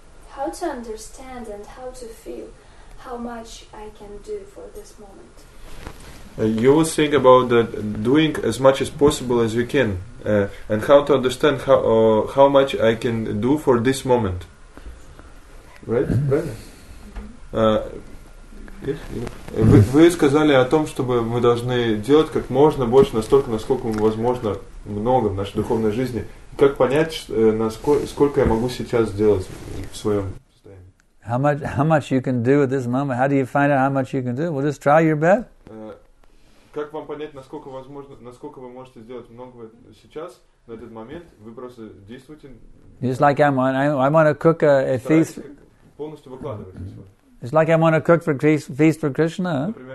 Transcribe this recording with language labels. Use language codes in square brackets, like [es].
[en] How to understand and how to feel how much I can do for this moment? You were saying about that doing as much as possible as you can, and how to understand how much I can do for this moment. Right? [ru] Вы сказали о том, чтобы мы должны делать как можно больше, настолько, насколько возможно, много в нашей духовной жизни. Как понять, сколько я могу сейчас сделать в своем состоянии? [en] How much you can do at this moment? How do you find out how much you can do? Well, just try your best. [ru] Как вам понять, насколько возможно, насколько вы можете сделать много сейчас, на этот момент? Вы просто действуете. [en] Just like I want to cook a feast. [ru] Полностью выкладываетесь. [en] It's like I want to cook for feast for Krishna.